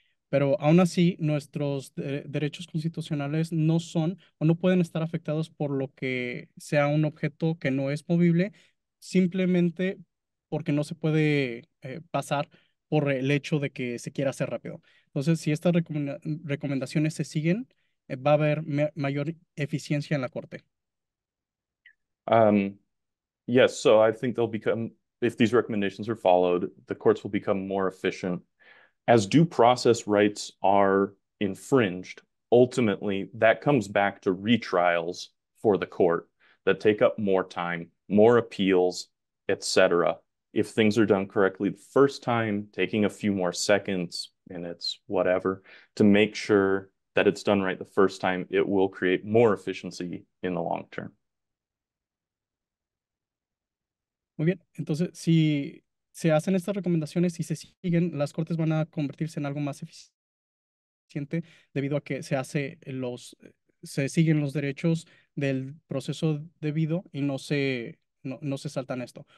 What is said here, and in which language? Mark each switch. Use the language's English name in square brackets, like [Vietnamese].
[Spanish] Pero aún así, nuestros derechos constitucionales no son o no pueden estar afectados por lo que sea un objeto que no es movible, simplemente porque no se puede pasar por el hecho de que se quiera hacer rápido. Entonces, si estas recomendaciones se siguen, va a haber mayor eficiencia en la corte. [English] Yes, so I think they'll become, if these recommendations are followed, the courts will become more efficient. As due process rights are infringed, ultimately that comes back to retrials for the court that take up more time, more appeals, etc. If things are done correctly the first time, taking a few more seconds, minutes, whatever, to make sure that it's done right the first time, it will create more efficiency in the long term. [Spanish] Muy bien. Entonces, si se hacen estas recomendaciones y se siguen, las cortes van a convertirse en algo más eficiente debido a que se siguen los derechos del proceso debido y no se saltan esto.